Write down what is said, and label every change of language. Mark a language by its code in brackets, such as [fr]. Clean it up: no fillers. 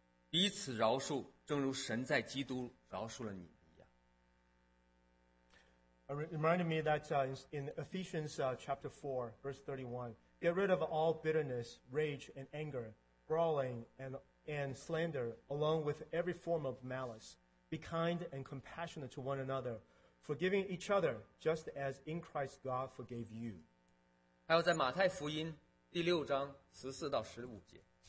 [zh] 彼此饶恕, 正如神在基督饶恕了你一样。 [en] It reminded me that in Ephesians chapter 4, verse 31, get rid of all bitterness, rage, and anger, brawling, and slander, along with every form of malice. Be kind and compassionate to one another, forgiving each other, just as in Christ God forgave you. [zh] 还有在马太福音第6章14到15节。